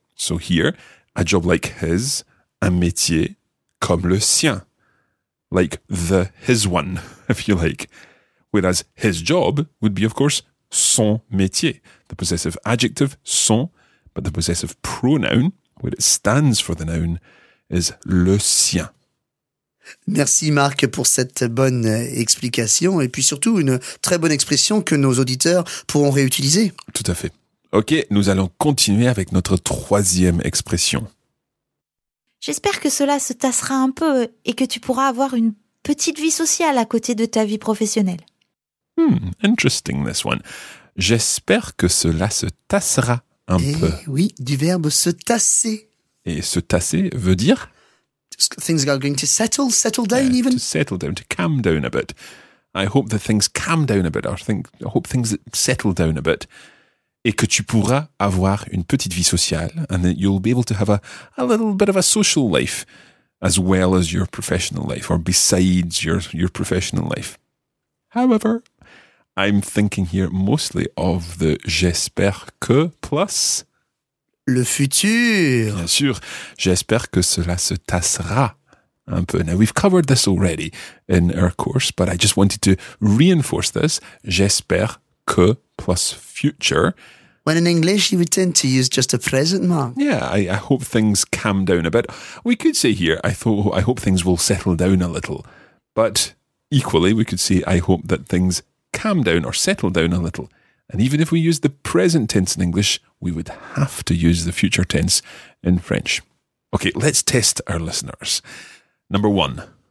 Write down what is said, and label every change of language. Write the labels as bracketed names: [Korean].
[English] So here, a job like his, [French] un métier comme le sien, [English] like the his one, if you like. Whereas his job would be, of course, son métier, the possessive adjective son, but the possessive pronoun, where it stands for the noun, is le sien. [French] Merci Marc pour cette bonne explication et puis surtout une très bonne expression que nos auditeurs pourront réutiliser. Tout à fait. Ok, nous allons continuer avec notre troisième expression. J'espère que cela se tassera un peu et que tu pourras avoir une petite vie sociale à côté de ta vie professionnelle. [English] Interesting, this one. [French] J'espère que cela se tassera un peu. Oui, du verbe se tasser. Et se tasser veut dire? [English] Things are going to settle down even. To settle down, to calm down a bit. I hope that things calm down a bit. I hope things settle down a bit. [French] Et que tu pourras avoir une petite vie sociale. [English] And that you'll be able to have a little bit of a social life as well as your professional life or besides your professional life. However, I'm thinking here mostly of the j'espère que plus. [French] Le futur. Bien sûr. J'espère que cela se tassera un peu. [English] Now, we've covered this already in our course, but I just wanted to reinforce this. [French] J'espère que plus future. [English] When in English, you would tend to use just a present, Mark. Yeah, I hope things calm down a bit. We could say here, I hope things will settle down a little. But equally, we could say, I hope that things calm down or settle down a little. And even if we use the present tense in English, we would have to use the future tense in French. Okay, let's test our listeners. Number one.